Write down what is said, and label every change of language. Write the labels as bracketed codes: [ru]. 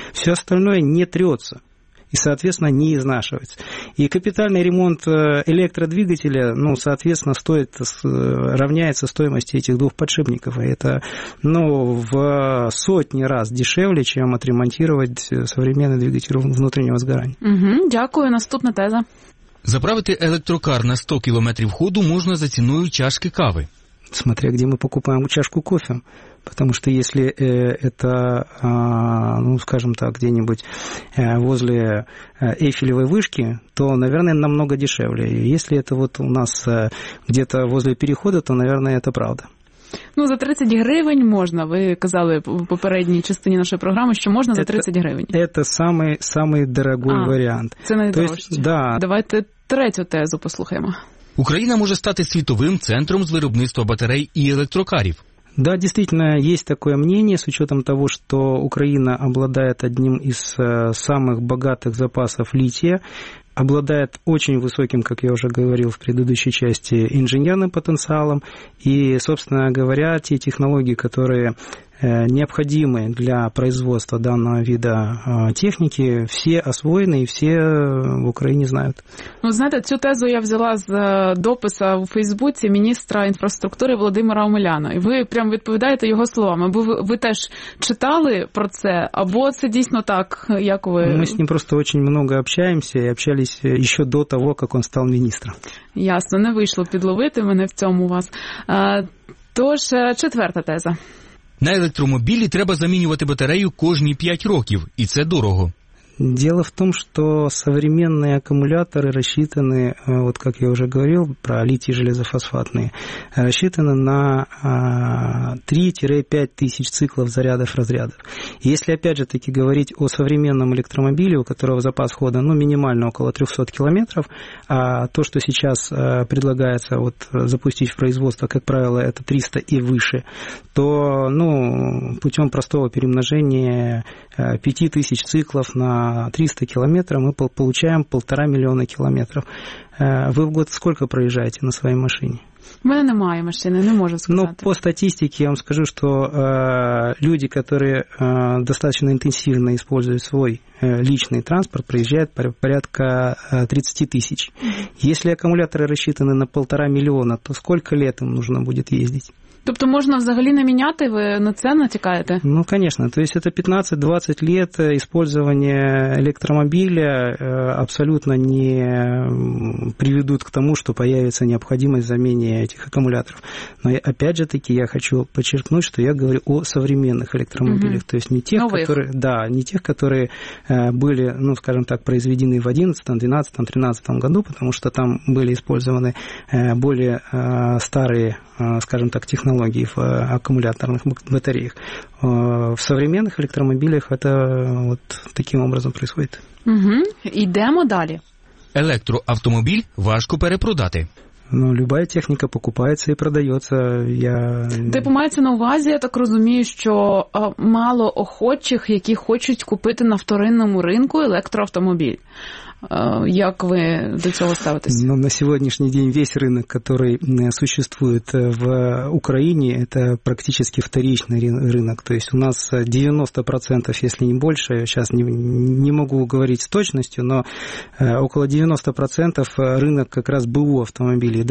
[ru] Все остальное не трется и, соответственно, не изнашивается. И капитальный ремонт электродвигателя, ну, соответственно, стоит, равняется стоимости этих двух подшипников. И это, ну, в сотни раз дешевле, чем отремонтировать современный двигатель внутреннего сгорания. [uk] Угу, дякую, наступна теза. Заправити електрокар на 100 км ходу можна за ціною чашки кави. [ru] Смотря где мы покупаем чашку кофе. Потому что если это, ну, скажем так, где-нибудь возле Эйфелевой вышки, то, наверное, намного дешевле. Если это вот у нас где-то возле перехода, то, наверное, это правда. [uk] Ну, за 30 гривень можна. Ви казали в попередній частині нашої програми, що можна за 30 гривень. [ru] Это самый дорогой варіант. [uk] Це найдорожче. [ru] Да. [uk] Давайте третю тезу послухаємо. Україна може стати світовим центром з виробництва батарей і електрокарів. [ru] Да, действительно, есть такое мнение, с учетом того, что Украина обладает одним из самых богатых запасов лития, обладает очень высоким, как я уже говорил в предыдущей части, инженерным потенциалом, и, собственно говоря, те технологии, которые необходимы для производства данного вида техники, все освоены и все в Украине знают. [uk] Ну, знаете, цю тезу я взяла з дописа в Фейсбуці міністра інфраструктури Володимира Омеляна. І ви прямо відповідаєте його словами. Ви теж читали про це? Або це дійсно так, як ви... Ми з ним просто дуже багато общаемся і общались ще до того, як він став міністром. Ясно, не вийшло підловити мене в цьому вас. Тож, четверта теза. [ru] На электромобиле треба заменивать батарею каждые 5 років, и це дорого. Дело в том, что современные аккумуляторы рассчитаны, вот как я уже говорил, про литий железофосфатные, рассчитаны на 3-5 тысяч циклов зарядов-разрядов. Если, опять же таки, говорить о современном электромобиле, у которого запас хода, ну, минимально около 300 километров, а то, что сейчас предлагается вот запустить в производство, как правило, это 300 и выше, то, ну, путем простого перемножения 5 тысяч циклов на 300 километров, мы получаем 1,5 миллиона километров. Вы в год сколько проезжаете на своей машине? У меня немає машини, не можу сказати. Ну, по статистике я вам скажу, что люди, которые достаточно интенсивно используют свой личный транспорт, проезжают порядка 30 тысяч. Если аккумуляторы рассчитаны на 1,5 миллиона, то сколько лет им нужно будет ездить? [uk] Тобто можна взагалі не міняти, ви на це натякаєте? Ну, звісно. Тобто це 15-20 років використання електромобіля абсолютно не приведуть до того, що з'явиться необхідність заміни цих акумуляторів. Але, [ru] опять же таки, [uk] я хочу підчеркнути, що я говорю о сучасних електромобілях. Тобто не тих, які були, ну, скажімо так, произведені в 11-му, 12-му, 13-му році, тому що там були використані більш старі, [ru] скажем так, технологии в аккумуляторных батареях. В современных электромобилях это вот таким образом происходит. [uk] Угу. Идемо далі. Электроавтомобиль важко перепродати. [ru] Ну, любая техника покупается и продается. [uk] Ти помається на увазі, я так розумію, що мало охочих, які хочуть купити на вторинному ринку електроавтомобіль. [ru] Как вы до этого ставитесь? Ну, на сегодняшний день весь рынок, который существует в Украине, это практически вторичный рынок. То есть у нас 90%, если не больше, сейчас не могу говорить с точностью, но около 90% рынок как раз БУ автомобилей.